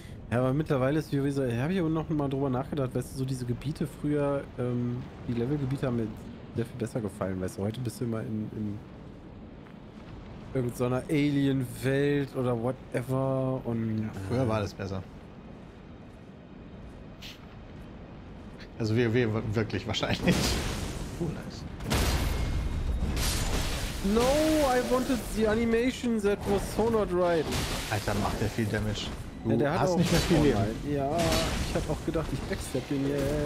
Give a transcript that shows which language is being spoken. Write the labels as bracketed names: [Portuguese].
[German] Ja, aber mittlerweile ist WoW so, habe ich aber noch mal drüber nachgedacht, weißt du, so diese Gebiete früher, die Levelgebiete haben mir sehr viel besser gefallen, weißt du, heute bist du immer in irgendeiner Alien-Welt oder whatever und... Ja, früher war das besser. Also WoW wirklich wahrscheinlich. [English] Oh, nice. No, I wanted the animation that was so not right. [German] Alter, macht der viel Damage. Du, ja, der hast auch nicht mehr viel Leben. Ja, ich hab auch gedacht, ich backstab den jetzt.